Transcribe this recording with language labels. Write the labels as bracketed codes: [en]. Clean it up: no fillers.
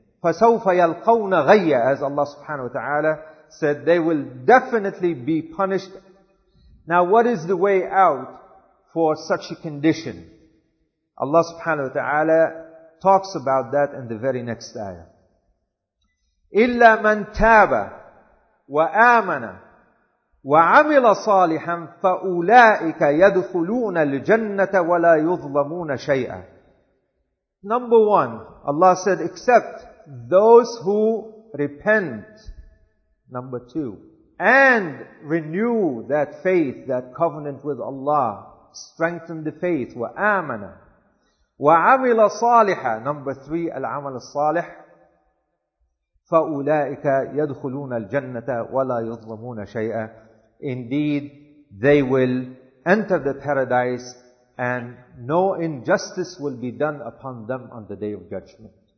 [ar] فَسَوْفَ يَلْقَوْنَ غَيَّ [en] As Allah subhanahu wa ta'ala said, they will definitely be punished. Now what is the way out for such a condition? Allah subhanahu wa ta'ala talks about that in the very next ayah. [ar] إِلَّا مَنْ تَابَ وَآمَنَ وَعَمِلَ صَالِحًا فَأُولَٰئِكَ يَدْخُلُونَ الْجَنَّةَ وَلَا يُظْلَمُونَ شَيْئًا [en] Number one, Allah said, except those who repent. Number two, and renew that faith, that covenant with Allah, strengthen the faith. [ar] وَآمَنَ وَعَمِلَ صَالِحًا [en] Number three, [ar] الْعَمَلَ الصَّالِحِ فَأُولَٰئِكَ يَدْخُلُونَ الْجَنَّةَ وَلَا يُظْلَمُونَ شَيْئًا [en] Indeed, they will enter the paradise and no injustice will be done upon them on the Day of Judgment.